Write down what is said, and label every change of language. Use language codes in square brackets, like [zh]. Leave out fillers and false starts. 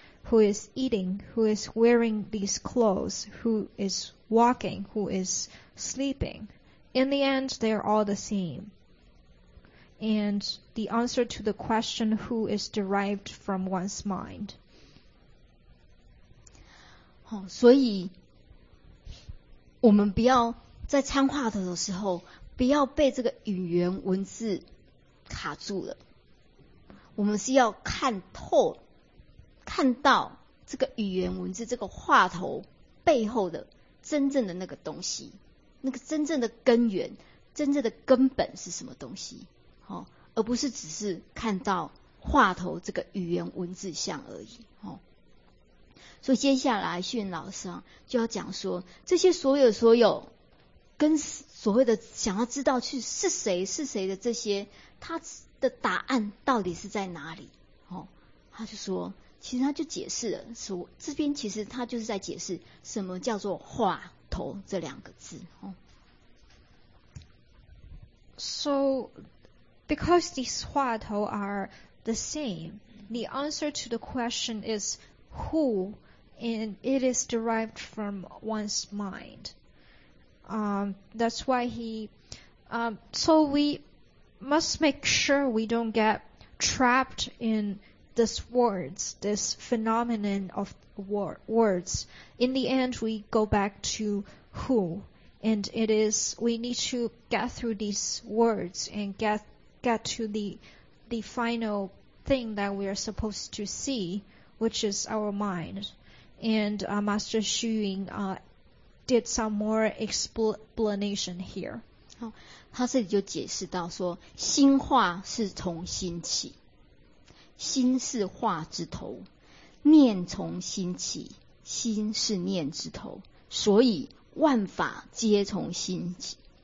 [en] Who is eating, who is wearing these clothes, who is walking, who is sleeping. In the end, they are all the same. And the answer to the question, who is derived from one's mind? [zh] 所以我们不要在参话头的时候不要被这个语言文字卡住了。我们是要看透看到这个语言文字这个话头背后的真正的那个东西，那个真正的根源，真正的根本是什么东西，哦，而不是只是看到话头这个语言文字像而已，哦。所以接下来旭云老师就要讲说，这些所有跟所谓的想要知道去是谁的这些，他的答案到底是在哪里，哦，他就说其实他就解释了，说这边其实他就是在解释什么叫做话头这两个字，哦。 [en] So, because these 话头 are the same, the answer to the question is who, and it is derived from one's mind. That's why so we must make sure we don't get trapped in. This words, this phenomenon of words, in the end, we go back to who, and it is, we need to get through these words and get to the final thing that we are supposed to see, which is our mind. and Master Xu Ying did some more explanation here. [zh] 好，他这里就解释到说，心化是从心起，心是化之头，念从心起，心是念之头，所以万法皆从心起。